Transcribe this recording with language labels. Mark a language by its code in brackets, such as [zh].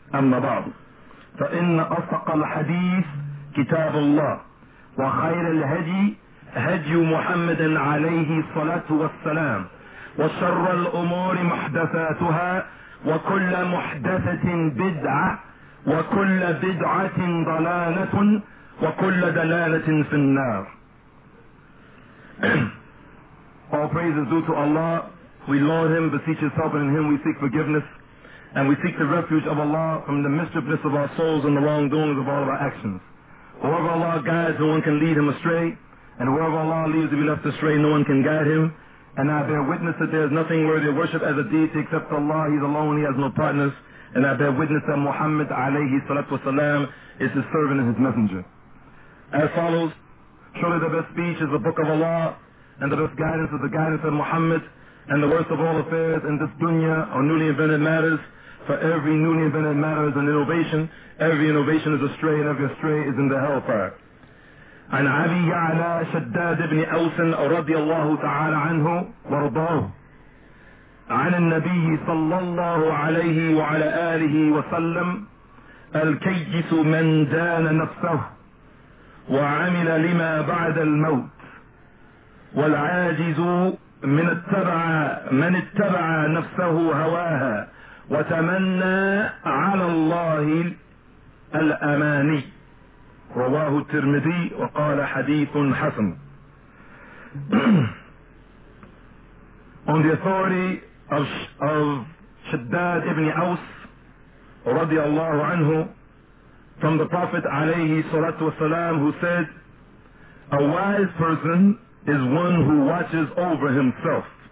[ar] أما بعد، فإن أصدق الحديث كتاب الله، وخير الهدي هدي محمد عليه الصلاة والسلام، وشر الأمور محدثاتها، وكل محدثة بدعة، وكل بدعة ضلالة، وكل دلالة في النار. [en] All praise is due to Allah. We laud Him, beseech His help, and in Him we seek forgiveness. And we seek the refuge of Allah from the mischievousness of our souls and the wrongdoings of all of our actions. Whoever Allah guides, no one can lead him astray. And whoever Allah leaves to be left astray, no one can guide him. And I bear witness that there is nothing worthy of worship as a deity except Allah. He's alone, He has no partners. And I bear witness that Muhammad alayhi salatu wasalam is His servant and His messenger. As follows, surely the best speech is the book of Allah, and the best guidance is the guidance of Muhammad, and the worst of all affairs in this dunya are newly invented matters. For every newly invented matter is an innovation, every innovation is a stray, and every stray is in the hellfire. [ar] عن أبي يعلى شداد بن أوس رضي الله تعالى عنه ورضاه عن النبي صلى الله عليه وعلى آله وسلم الكيس من دان نفسه وعمل لما بعد الموت والعاجز من اتبع من اتبع نفسه هواها وتمنى على الله الأماني رواه الترمذي وقال حديث حسن. [en] On the authority of Shaddad ibn Aws [ar] رضي الله عنه, [en] from the Prophet [ar] عليه الصلاة والسلام, [en] who said, a wise person is one who watches over himself.